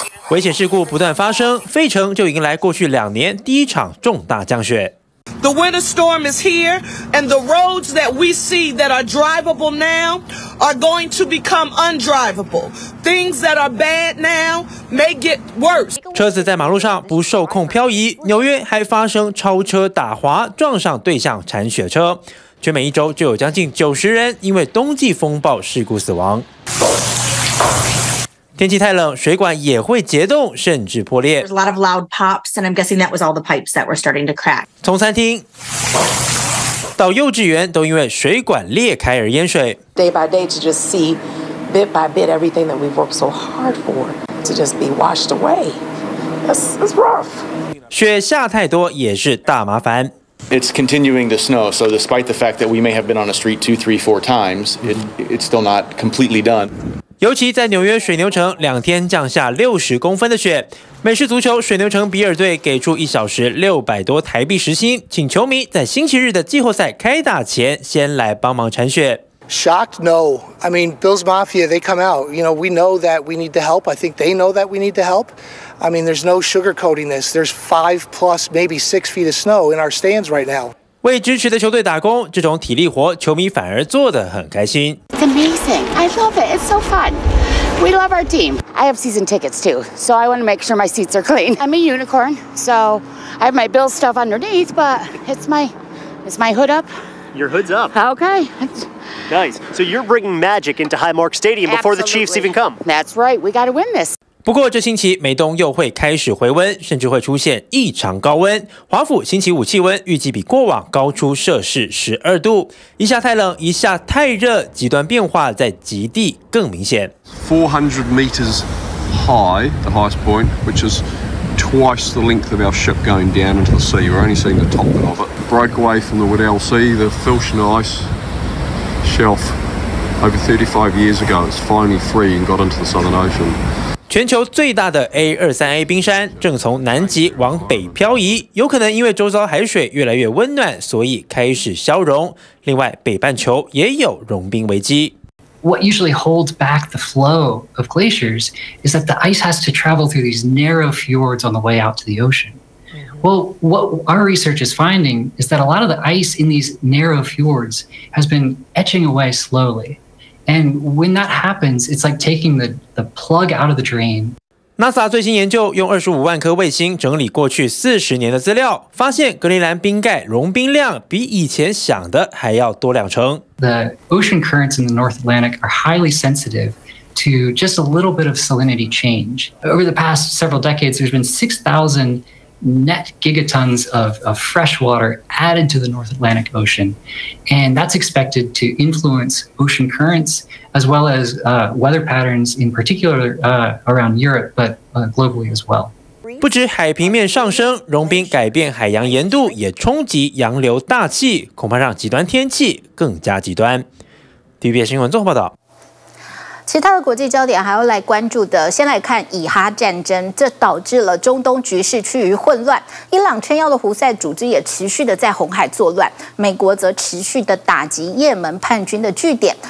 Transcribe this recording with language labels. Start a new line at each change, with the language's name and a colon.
Chinese: 危险事故不断发生，费城就迎来过去两年第一场重大降雪。
English: The winter storm is here, and the roads that we see that are drivable now are going to become undrivable. Things that are bad now may get worse.
Chinese: 车子在马路上不受控漂移，纽约还发生超车打滑，撞上对向铲雪车。全美一周就有将近90人因为冬季风暴事故死亡。天气太冷，水管也会结冻，甚至破裂。
English: There's a lot of loud pops, and I'm guessing that was all the pipes that were starting to crack.
Chinese: 从餐厅到幼稚园都因为水管裂开而淹水。
English: Day by day to just see bit by bit everything that we've worked so hard for to just be washed away. That's rough.
Chinese: 雪下太多也是大麻烦。
English: It's continuing to snow, so despite the fact that we may have been on a street 2, 3, 4 times, it's still not completely done.
Chinese: 尤其在纽约水牛城，两天降下60公分的雪。美式足球水牛城比尔队给出一小时600多台币时薪，请球迷在星期日的季后赛开打前先来帮忙铲雪。
English: Shocked? No. I mean, Bills Mafia, they come out. You know, we know that we need the help. I think they know that we need the help. I mean, there's no sugarcoating this. There's 5+, maybe 6 feet of snow in our stands right now.
Chinese: 为支持的球队打工，这种体力活球迷反而做得很开心。
English: It's amazing. I love it. It's so fun. We love our team. I have season tickets too, so I want to make sure my seats are clean. I'm a unicorn, so I have my Bills stuff underneath, but it's my hood up. Your hood's up. Okay. Nice. So you're bringing magic into Highmark Stadium before、 Absolutely. the Chiefs even come. That's right. We got to win this.
Chinese: 不过这星期美东又会开始回温，甚至会出现异常高温。华府星期五气温预计比过往高出摄氏12度，一下太冷，一下太热，极端变化在极地更明显。
English: 400 meters high, the highest point, which is twice the length of our ship going down into the sea. We're only seeing the top of it. Broke away from the Weddell Sea, the Filchian Ice Shelf over 35 years ago. It's finally free and got into the Southern Ocean.
Chinese: 全球最大的 A23A 冰山正从南极往北漂移，有可能因为周遭海水越来越温暖，所以开始消融。另外，北半球也有融冰危机。
English: What usually holds back the flow of glaciers is that the ice has to travel through these narrow fjords on the way out to the ocean. Well, what our research is finding is that a lot of the ice in these narrow fjords has been etching away slowly. And when that happens, it's like taking the plug out of the drain.
Chinese: NASA 最新研究用25万颗卫星整理过去40年的资料，发现格陵兰冰盖融冰量比以前想的还要多两成。
English: The ocean currents in the North Atlantic are highly sensitive to just a little bit of salinity change. Over the past several decades, there's been 6,000 net gigatons of fresh water added to the North Atlantic Ocean. And that's expected to influence ocean currents as well as weather patterns in particular around Europe, but globally as well.
Chinese: 不止海平面上升，融冰改变海洋盐度也冲击洋流大气，恐怕让极端天气更加极端。 TVBS 新闻综合报道。其他的国际焦点还要来关注的，先来看以哈战争，这导致了中东局势趋于混乱，伊朗撑腰的胡塞组织也持续的在红海作乱，美国则持续的打击也门叛军的据点。